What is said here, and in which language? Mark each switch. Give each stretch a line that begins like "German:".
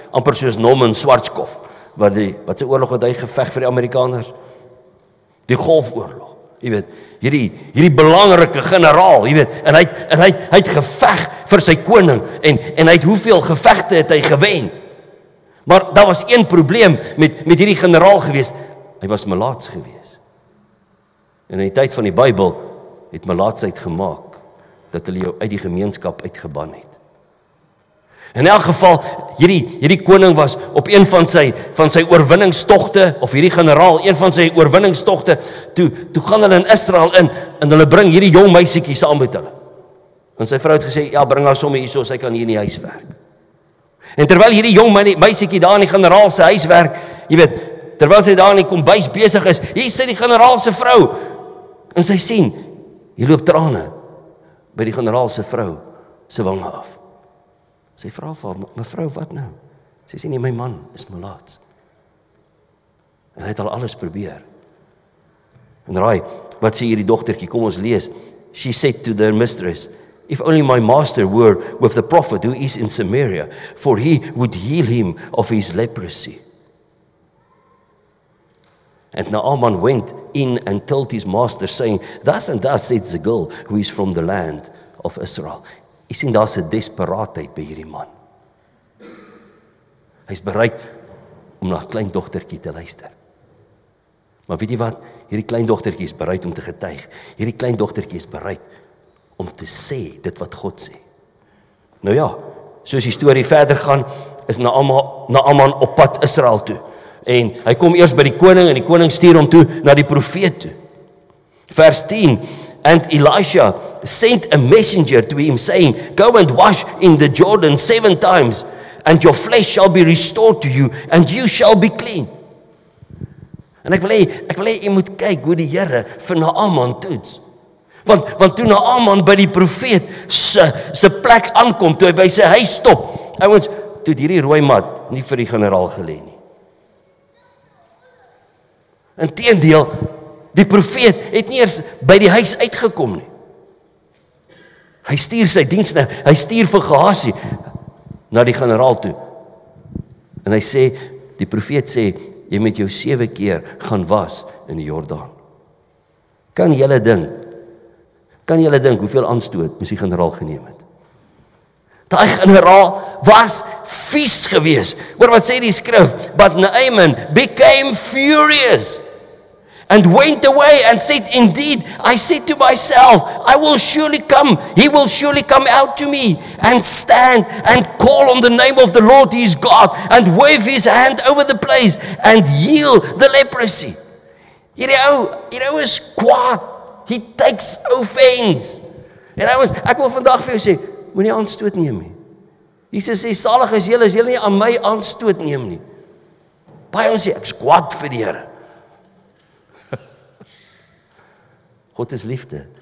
Afrikaans: Amper soos Norman Schwarzkopf, wat sy oorlog het hy geveg vir die Amerikaners. Die Golfoorlog, jy weet, hierdie belangrike generaal, jy weet, en hy het geveg vir sy koning, en hy het hoeveel gevegte het hy gewen. Maar daar was een probleem met hierdie generaal gewees. Hy was melaats gewees. En in die tyd van die Bybel het melaatsheid gemaak dat hulle jou uit die gemeenskap uitgeban het. In elk geval, hierdie koning was op een van sy oorwinningstogte, of hierdie generaal, een van sy oorwinningstogte, toe gaan hulle in Israel in, en hulle bring hierdie jong meisiekie saam met hulle. En sy vrou het gesê, ja, bring haar somme hier so, sy kan hier in die huis werk. En terwyl hierdie jong meisiekie daar in die generaal se huis werk, jy weet, terwyl sy daar in die kombuis besig is, hier sit die generaal se vrou, en sy sien, hier loop trane by die generaal se vrou se wange af. Sy vra vir haar, mevrou, wat nou? Sy sê nie, my man is melaats. En hy het al alles probeer. En raai, wat sê hierdie dogtertjie, kom ons lees.
English: She said to their mistress, if only my master were with the prophet who is in Samaria, for he would heal him of his leprosy. And Naaman went in and told his master, saying, thus and thus says the girl who is from the land of Israel.
Afrikaans: Jy sien, daar's 'n desperaatheid by hierdie man. Hy's bereid om na 'n kleindogtertjie te luister. Maar weet jy wat? Hierdie kleindogtertjie is bereid om te getuig. Hierdie kleindogtertjie is bereid om te sê dit wat God sê. Nou ja, soos die storie verder gaan, is Naaman op pad Israel toe. En hy kom eers by die koning, en die koning stuur hom toe na die profeet toe. Vers 10,
English: and Elisha sent a messenger to him saying, go and wash in the Jordan 7 times, and your flesh shall be restored to you, and you shall be clean.
Afrikaans: En ek wil hê, jy moet kyk hoe die Here vir Naaman toets. Want toe Naaman by die profeet se plek aankom, toe hy by sy huis stop, ouens, toe hierdie rooi mat nie vir die generaal gelê nie. Inteendeel, die profeet het nie eers by die huis uitgekom nie. Hy stuur sy diens, hy stuur vir Gehasie na die generaal toe. En hy sê, die profeet sê, jy moet jou 7 keer gaan was in die Jordaan. Kan jy dink hoeveel aanstoot mos die generaal geneem het? Daai generaal was vies geweest. Hoor wat sê die skrif,
English: but Naaman became furious and went away and said, indeed, I said to myself, I will surely come, he will surely come out to me and stand and call on the name of the Lord his God and wave his hand over the place and heal the leprosy.
Afrikaans: Hierdie ou is kwaad.
English: He takes offense.
Afrikaans: En ouens, ek wil vandag vir jou sê, moenie aanstoot neem nie. Jesus sê, salig is julle as julle nie aan my aanstoot neem nie. Baie ons sê, ek's kwaad vir die Here. God is liefde,